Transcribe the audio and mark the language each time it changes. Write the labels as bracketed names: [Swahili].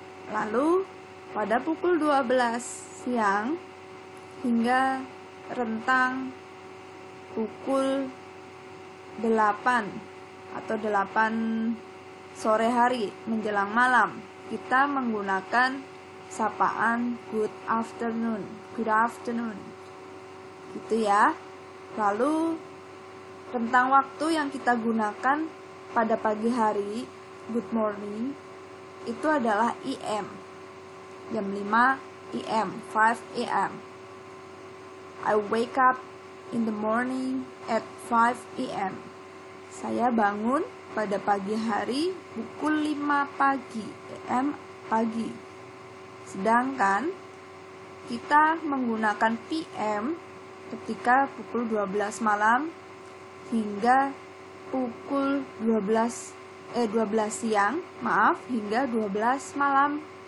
[Indonesian] Lalu pada pukul 12 siang hingga rentang pukul 8 atau 8 sore hari menjelang malam kita menggunakan sapaan [English] good afternoon. Good afternoon. [Indonesian] Gitu ya. Lalu rentang waktu yang kita gunakan pada pagi hari [English] good morning [Indonesian] itu adalah IM, jam 5 IM, 5 AM. [English] I wake up in the morning at 5 AM. [Indonesian] Saya bangun pada pagi hari pukul 5 pagi, AM pagi. Sedangkan kita menggunakan PM ketika pukul 12 malam hingga pukul 12 siang, hingga 12 malam.